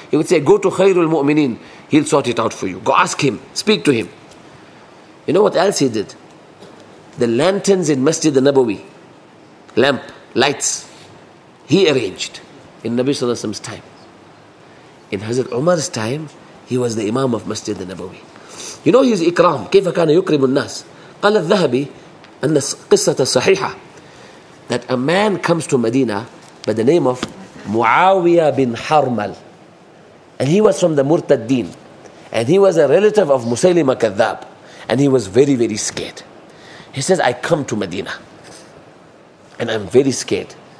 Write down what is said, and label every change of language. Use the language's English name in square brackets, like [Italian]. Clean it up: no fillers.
[English] He would say, go to Khayrul Mu'mineen. He'll sort it out for you. Go ask him. Speak to him. You know what else he did? The lanterns in Masjid al-Nabawi. Lamp, lights. He arranged in Nabi Sallallahu Alaihi Wasallam's time. In Hazrat Umar's time, he was the Imam of Masjid al-Nabawi. You know his ikram. [Arabic] كيف كان يكرم الناس؟ قال الذهبي. [English] And the qissah is sahih, that a man comes to Medina by the name of Muawiyah bin Harmal, and he was from the Murtaddin, and he was a relative of Musaylima Kadhab, and he was very, very scared. He says, I come to Medina and I'm very scared.